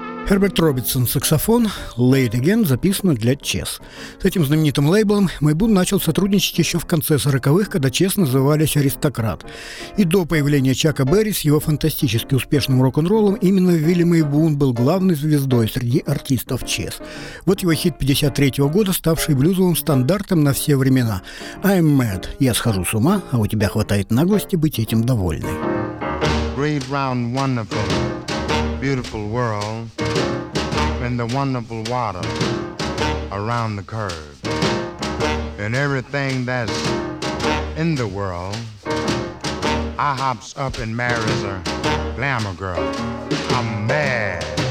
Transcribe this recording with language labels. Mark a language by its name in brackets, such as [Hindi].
[Russian] Herbert Robertson, саксофон, Late Again, записано для Chess. С этим знаменитым лейблом Maybune начал сотрудничать еще в конце 40-х, когда Chess назывались Аристократ. И до появления Чака Берри с его фантастически успешным рок-н-роллом именно Вилли Maybune был главной звездой среди артистов Chess. Вот его хит 53-го года, ставший блюзовым стандартом на все времена. [English] I'm mad, [Russian] я схожу с ума, а у тебя хватает наглости быть этим довольной. [English] Great, round, wonderful, beautiful world, and the wonderful water around the curve, and everything that's in the world, I hops up and marries a glamour girl. I'm mad.